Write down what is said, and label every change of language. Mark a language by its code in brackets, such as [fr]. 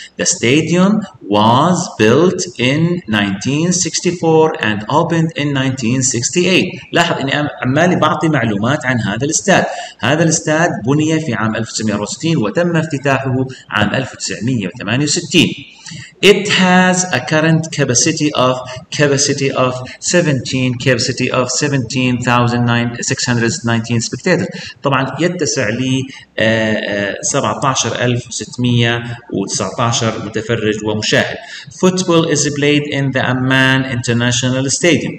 [en] The stadium was built in 1964 and opened in 1968. [ar] لاحظ أني عمالي بعطي معلومات عن هذا الاستاد. هذا الاستاد بني في عام 1960 وتم افتتاحه عام 1968. [en] It has a current capacity of 17,619 spectators. [ar] طبعا يتسع لي 17,619 متفرج ومشاهد. [en] Football is played in the Amman International Stadium.